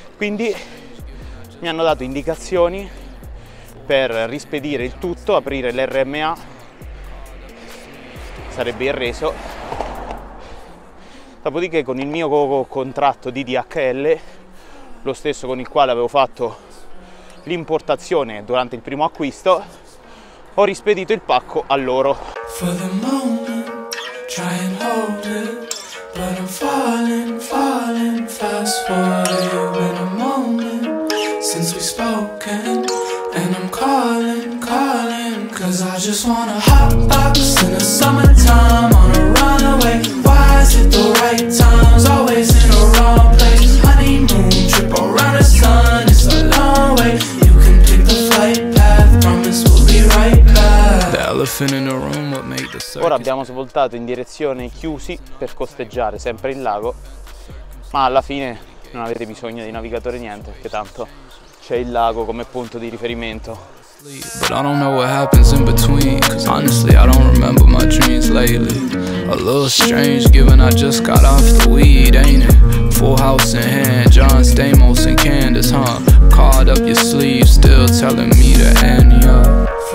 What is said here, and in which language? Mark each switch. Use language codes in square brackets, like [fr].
[it] Quindi mi hanno dato indicazioni per rispedire il tutto, aprire l'RMA, sarebbe il reso. Dopodiché, con il mio contratto di DHL, lo stesso con il quale avevo fatto l'importazione durante il primo acquisto, ho rispedito il pacco a loro. [en] Try and hold it, but I'm falling, falling fast forward. It's been a moment since we've spoken, and I'm calling, calling, cause I just wanna hot box in the summertime on a runaway. Why is it the right times always in the wrong place? Honeymoon trip around the sun, it's a long way. You can pick the flight path, promise we'll be right back. The elephant in the room. [it] Ora abbiamo svoltato in direzione Chiusi per costeggiare sempre il lago, ma alla fine non avete bisogno di navigatore niente, perché tanto c'è il lago come punto di riferimento. [en] But I don't know what happens in between, cause honestly I don't remember my dreams lately. A little strange given I just got off the weed, ain't it? Full house in hand, John Stamos and Candace, huh? Caught up your sleeve, still telling me to end you.